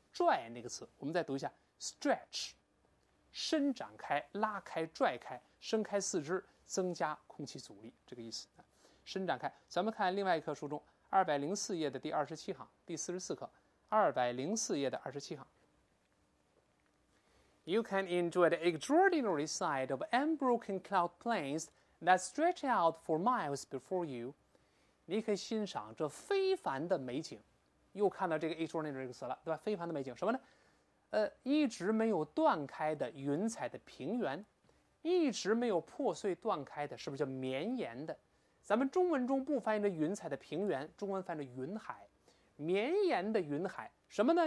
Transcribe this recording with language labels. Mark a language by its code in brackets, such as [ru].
[zh] 拽那个词，我们再读一下 stretch， 伸展开、拉开、拽开、伸开四肢，增加空气阻力，这个意思。伸展开，咱们看另外一课书中204页的第27行，第44课，204页的27行。 [en] You can enjoy the extraordinary sight of unbroken cloud plains that stretch out for miles before you。 [zh] 你可以欣赏这非凡的美景。又看到这个 extraordinary 这个词了，对吧？非凡的美景，什么呢？一直没有断开的云彩的平原，一直没有破碎断开的，是不是叫绵延的？咱们中文中不翻译着云彩的平原，中文翻译着云海，绵延的云海，什么呢？